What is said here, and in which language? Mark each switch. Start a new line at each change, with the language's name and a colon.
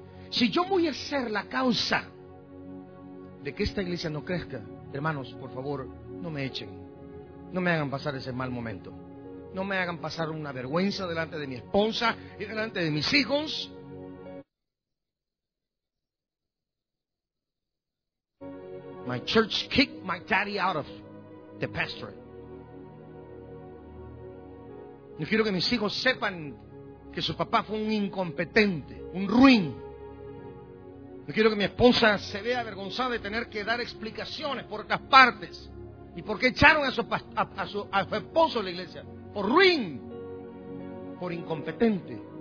Spanish: Si yo voy a ser la causa de que esta iglesia no crezca, hermanos, por favor, no me echen. No me hagan pasar ese mal momento. No me hagan pasar una vergüenza delante de mi esposa y delante de mis hijos.
English: My church kicked my daddy out of the pastorate.
Spanish: No quiero que mis hijos sepan que su papá fue un incompetente, un ruin. No quiero que mi esposa se vea avergonzada de tener que dar explicaciones por otras partes. ¿Y por qué echaron a su esposo de la iglesia? Por ruin, por incompetente.